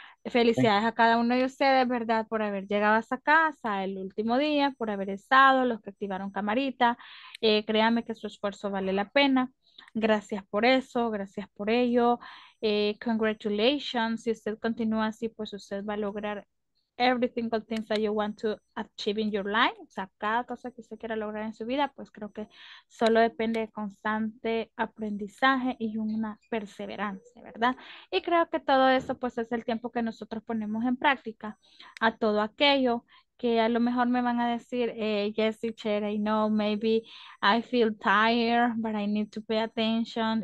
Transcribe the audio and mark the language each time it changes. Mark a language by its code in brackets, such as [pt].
[es] Felicidades a cada uno de ustedes, ¿verdad? Por haber llegado hasta casa el último día, por haber estado, los que activaron camarita. Créanme que su esfuerzo vale la pena. Gracias por eso, gracias por ello. Congratulations. Si usted continúa así, pues usted va a lograr [en] every single thing that you want to achieve in your life. [es] O sea, cada cosa que usted quiera lograr en su vida, pues creo que solo depende de constante aprendizaje y una perseverancia, ¿verdad? Y creo que todo eso, pues, es el tiempo que nosotros ponemos en práctica a todo aquello que a lo mejor me van a decir, [en] yes, teacher, I know, maybe I feel tired, but I need to pay attention.